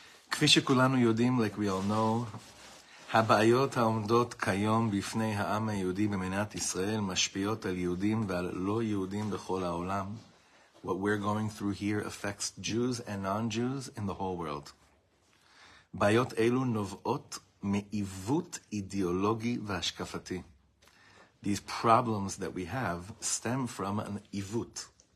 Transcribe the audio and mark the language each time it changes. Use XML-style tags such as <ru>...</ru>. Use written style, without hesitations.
<he>כפי שכולנו יודעים,</he> <en>like we all know,</en> <he>הבעיות העומדות כיום בפני העם היהודי במדינת ישראל משפיעות על יהודים ועל לא יהודים בכל העולם.</he> <en>What we're going through here affects Jews and non-Jews in the whole world.</en> <he>בעיות אלו נובעות מעיוות אידיאולוגי והשקפתי.</he> <en>These problems that we have stem from an ivut.</en>